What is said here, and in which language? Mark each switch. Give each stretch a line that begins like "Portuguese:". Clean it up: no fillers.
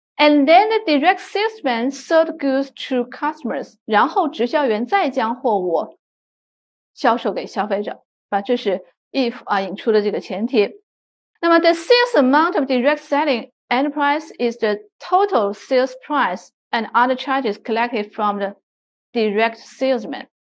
English: And then the direct salesman sold goods to customers.
Chinese: 然后直销员再将货物销售给消费者，啊，这是 if 啊引出的这个前提。
English: 那么 the sales amount of direct selling enterprise is the total sales price and other charges collected from the direct salesman。